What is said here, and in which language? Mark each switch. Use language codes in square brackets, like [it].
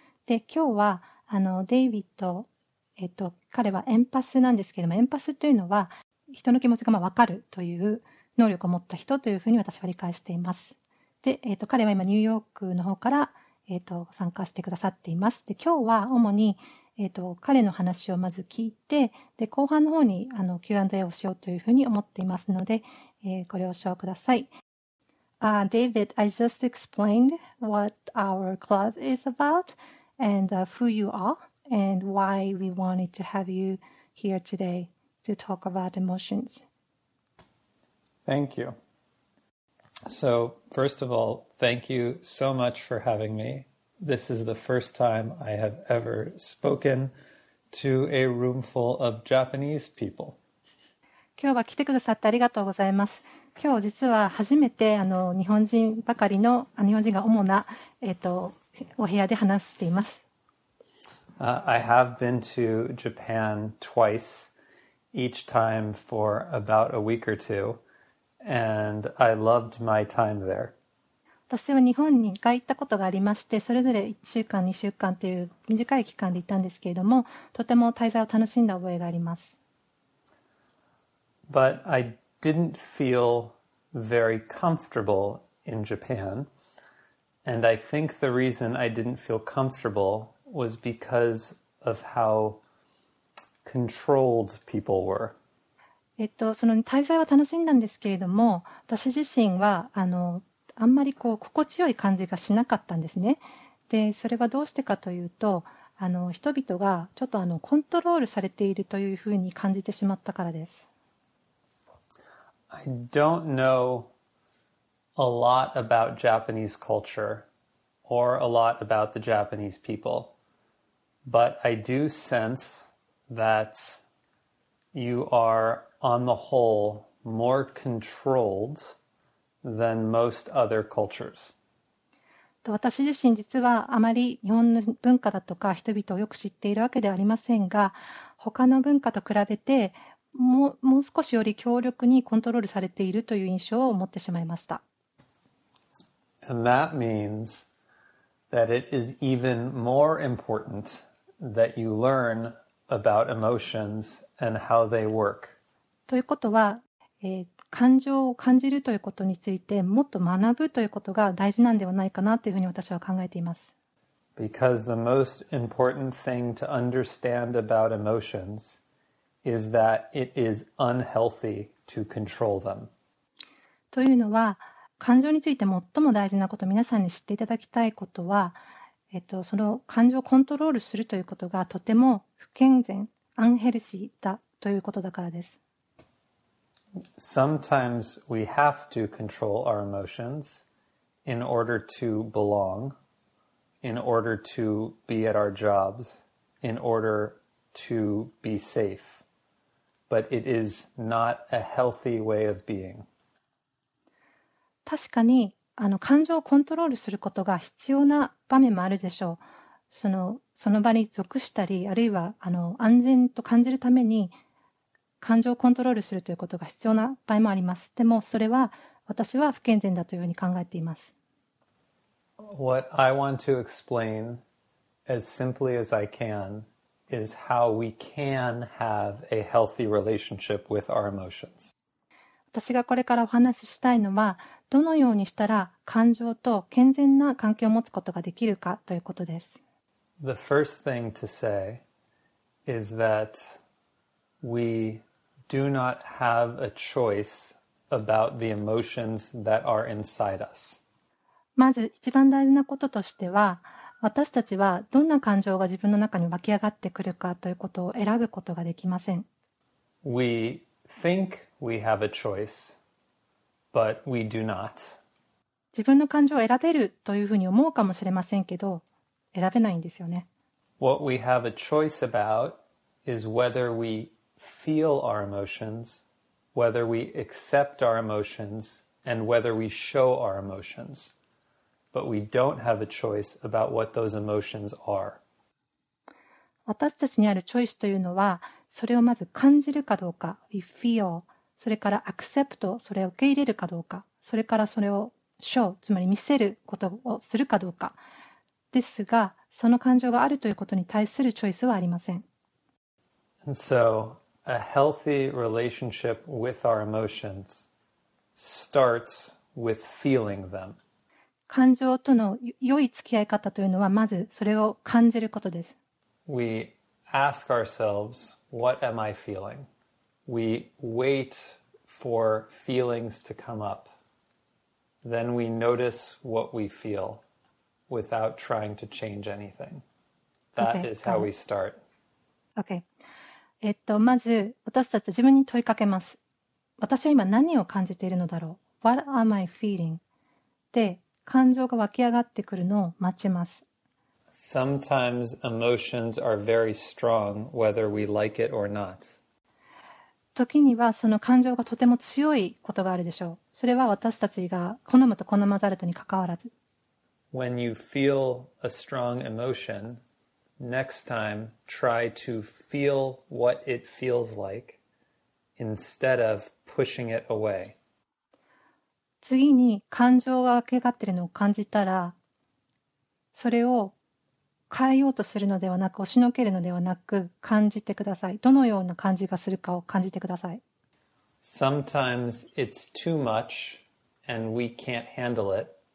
[ja] で、今日はデイビッド、彼はエンパスなんですけれども、エンパスというのは人の気持ちがまあ分かるという能力を持った人というふうに私は理解しています。で、彼は今ニューヨークの方から、参加してくださっています。で、今日は主に、彼の話をまず聞いて、で後半の方に Q&A をしようというふうに思っていますので、ご了承ください。 [en] David, I just explained what our club is about and who you are and why we wanted to have you here today to talk about emotions. Thank you. So, first of all, thank you so much for having me. This is the first time I have ever spoken to a room full of Japanese people. [ja] 今日は来てくださってありがとうございます。今日実は初めて日本人ばかりの、日本人が主な、お部屋で話しています。 [en] I have been to Japan twice, each time for about a week or two. And I loved my time there. [ja] 私は日本に1回行ったことがありまして、それぞれ1週間、2週間という短い期間で行ったんですけれども、とても滞在を楽しんだ覚えがあります。 [en] But I didn't feel very comfortable in Japan. And I think the reason I didn't feel comfortable was because of how controlled people were. [ja] その滞在は楽しんだんですけれども、私自身はあんまりこう心地よい感じがしなかったんですね。でそれはどうしてかというと、人々がちょっとコントロールされているというふうに感じてしまったからです。 [en] I don't know a lot about Japanese culture or a lot about the Japanese people, but I do sense that you are on the whole more controlled than most other cultures. [ja] 私自身実はあまり日本の文化だとか人々をよく知っているわけではありませんが、他の文化と比べて もう少しより強力にコントロールされているという印象を持ってしまいました。 [en] And that means that it is even more important that you learn about emotions and how they work. [ja] ということは、感情を感じるということについてもっと学ぶということが大事なんではないかなというふうに私は考えています。 [en] Because the most important thing to understand about emotions is that it is unhealthy to control them. [ja] というのは、感情について最も大事なこと、皆さんに知っていただきたいことは、その感情をコントロールするということがとても不健全、アンヘルシーだということだからです。 [en] Sometimes we have to control our emotions in order to belong, in order to be at our jobs, in order to be safe. But it is not a healthy way of being. [ja] 確かに、感情をコントロールすることが必要な場面もあるでしょう。その場に属したり、あるいは安全と感じるために、感情をコントロールするということが必要な場合もあります。でもそれは私は不健全だというふうに考えています。 [en] What I want to explain as simply as I can is how we can have a healthy relationship with our emotions. [ja] 私がこれからお話ししたいのは、どのようにしたら感情と健全な関係を持つことができるかということです。 [en] The first thing to say is that we... do not have a choice about the emotions that are inside us. [ja] まず一番大事なこととしては、私たちはどんな感情が自分の中に湧き上がってくるかということを選ぶことができません。 [en] We think we have a choice, but we do not. [ja] 自分の感情を選べるというふうに思うかもしれませんけど、選べないんですよね。 [en] What we have a choice about is whether we... feel our emotions, whether we accept our emotions, and whether we show our emotions. But we don't have a choice about what those emotions are. [ja] 私たちにあるチョイスというのは、それをまず感じるかどうか、 [en] we feel, [ja] それから accept, それを受け入れるかどうか、それからそれを show, つまり見せることをするかどうか。ですが、その感情があるということに対するチョイスはありません。 [en] And so,A healthy relationship with our emotions starts with feeling them. [ja] 感情との良い付き合い方というのは、まずそれを感じることです。 [en] We ask ourselves, what am I feeling? We wait for feelings to come up. Then we notice what we feel without trying to change anything. That okay, is how we start. Okay. [ja] まず私たちは自分に問いかけます。私は今何を感じているのだろう ? [en] What am I feeling? [ja] で、感情が湧き上がってくるのを待ちます。 [en] Sometimes emotions are very strong, whether we like it or not. [ja] 時にはその感情がとても強いことがあるでしょう。それは私たちが好むと好まざるとに関わらず。 [en] When you feel a strong emotion,Next time, try to feel what it feels like instead of pushing it away. [ja] 次に感情が湧き上がっているのを感じたら、それを変えようとするのではなく、押しのけるのではなく、感じてください。どのような感じがするかを感じてください。 [en] Sometimes it's too much and we can't handle it.